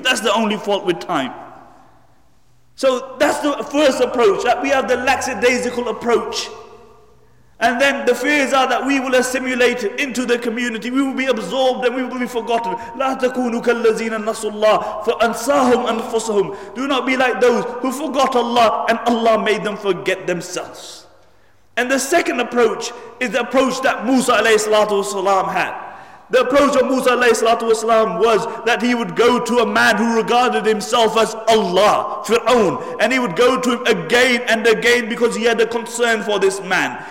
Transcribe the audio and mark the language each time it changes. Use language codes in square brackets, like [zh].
[en] That's the only fault with time. So that's the first approach, that we have the lackadaisical approach. And then the fears are that we will assimilate into the community. We will be absorbed and we will be forgotten. [ar] لا تكونوا كالذين نسوا الله فأنساهم أنفسهم. [en] Do not be like those who forgot Allah and Allah made them forget themselves. And the second approach is the approach that Musa alayhi salatu wasalam had. The approach of Musa alayhi salatu wasalam was that he would go to a man who regarded himself as Allah, Fir'aun, and he would go to him again and again because he had a concern for this man.